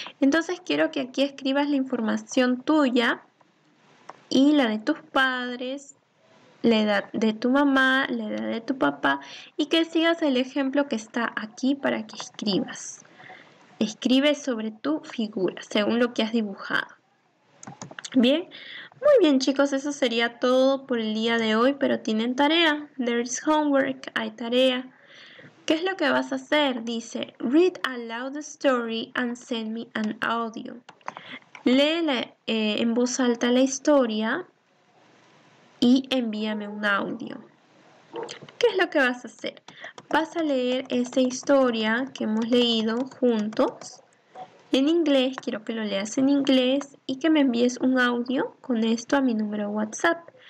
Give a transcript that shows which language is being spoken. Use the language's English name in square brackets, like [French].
[Spanish] Entonces quiero que aquí escribas la información tuya y la de tus padres, la edad de tu mamá, la edad de tu papá y que sigas el ejemplo que está aquí para que escribas. Escribe sobre tu figura, según lo que has dibujado. Bien, muy bien chicos, eso sería todo por el día de hoy, pero tienen tarea. [English] There is homework, [Spanish] hay tarea. ¿Qué es lo que vas a hacer? Dice, [English] read aloud the story and send me an audio. [Spanish] Lee en voz alta la historia y envíame un audio. ¿Qué es lo que vas a hacer? Vas a leer esa historia que hemos leído juntos en inglés. Quiero que lo leas en inglés y que me envíes un audio con esto a mi número de WhatsApp.